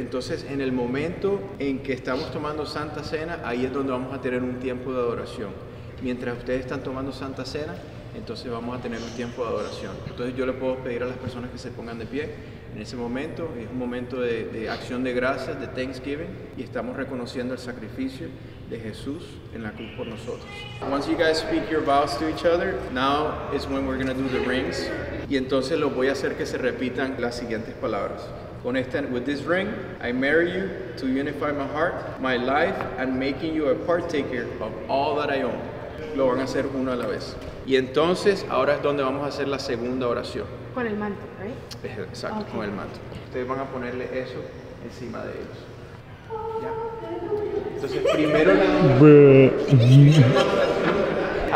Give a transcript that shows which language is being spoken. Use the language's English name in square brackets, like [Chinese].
[Spanish] Entonces, en el momento en que estamos tomando Santa Cena, ahí es donde vamos a tener un tiempo de adoración. Mientras ustedes están tomando Santa Cena, entonces vamos a tener un tiempo de adoración. Entonces yo le puedo pedir a las personas que se pongan de pie en ese momento. Es un momento de acción de gracias, de Thanksgiving. Y estamos reconociendo el sacrificio de Jesús en la cruz por nosotros. [English] Once you guys speak your vows to each other, now is when we're going to do the rings. [Spanish] Y entonces los voy a hacer que se repitan las siguientes palabras. Con este, [English] with this ring, I marry you to unify my heart, my life, and making you a partaker of all that I own. [Spanish] Lo van a hacer uno a la vez. Y entonces, ahora es donde vamos a hacer la segunda oración. Con el manto, ¿right? Exacto, okay. Con el manto. Ustedes van a ponerle eso encima de ellos. ¿Ya? Entonces, primero la...